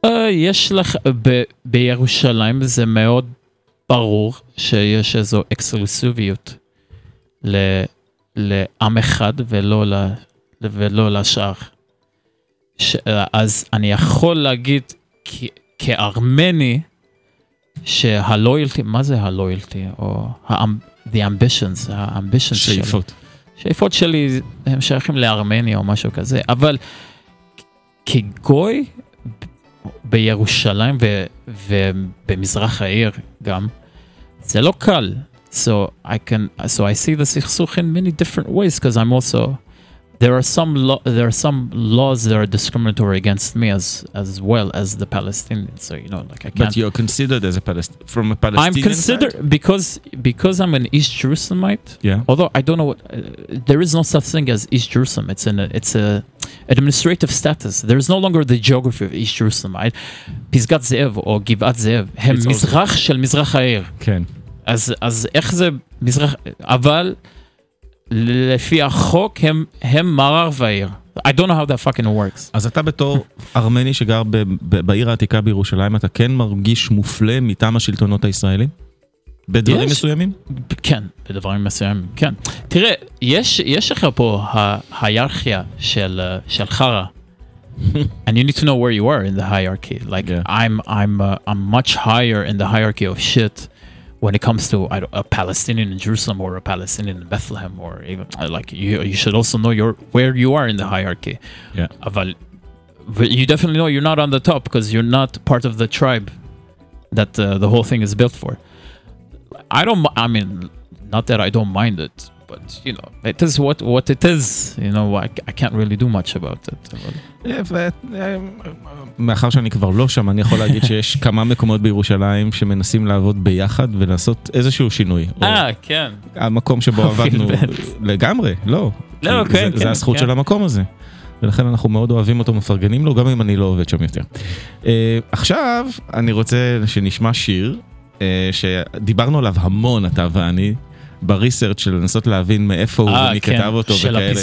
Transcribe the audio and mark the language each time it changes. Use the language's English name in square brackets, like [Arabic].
[Hebrew] יש לך, בירושלים זה מאוד ברור שיש איזו אקסקלוסיביות לעם אחד ולא לשאר. אז אני יכול להגיד כארמני שהלויילטי, מה זה הלויילטי? [English] או the ambitions. [Hebrew] שאיפות. שאיפות שלי הם שייכים לארמני או משהו כזה. אבל כגוי בירושלים ובמזרח העיר גם, זה לא קל. [English] So I see the סכסוך in many different ways, because I'm also there are some laws that are discriminatory against me as well as the Palestinians. So you know, like I can't. But you're considered as from a Palestinian. I'm considered because I'm an East Jerusalemite. Yeah. Although I don't know what there is no such thing as East Jerusalem. It's a administrative status. There is no longer the geography of East Jerusalem. [Hebrew] Pisgat Zev or Givat Zev. Hem Mizrach shel Mizrach Ha'ir. Ken. אז איך זה מזרח, אבל לפי החוק הם מערב העיר. [English] I don't know how that fucking works. [Hebrew] אז אתה בתור ארמני שגר בעיר העתיקה בירושלים, אתה כן מרגיש מופלא מטעם השלטונות הישראלים? בדברים מסוימים? כן, בדברים מסוימים, כן. תראה, יש לך פה ההיררכיה של חרה. [English] And you need to know where you are in the hierarchy. Like, I'm much higher in the hierarchy of shit. When it comes to a Palestinian in Jerusalem or a Palestinian in Bethlehem, or even like you should also know where you are in the hierarchy. Yeah. But you definitely know you're not on the top because you're not part of the tribe that the whole thing is built for. I mean, not that I don't mind it, but you know, it is what it is. You know, I can't really do much about it. [Hebrew] מאחר שאני כבר לא שם, אני יכול להגיד שיש כמה מקומות בירושלים שמנסים לעבוד ביחד ולעשות איזשהו שינוי. כן. המקום שבו עבדנו לגמרי, לא. לא, כן. זה הזכות של המקום הזה. ולכן אנחנו מאוד אוהבים אותו, מפרגנים לו, גם אם אני לא עובד שם יותר. עכשיו אני רוצה שנשמע שיר שדיברנו עליו המון, אתה ואני, בריסרט של לנסות להבין מאיפה הוא ומי כתב אותו וכאלה.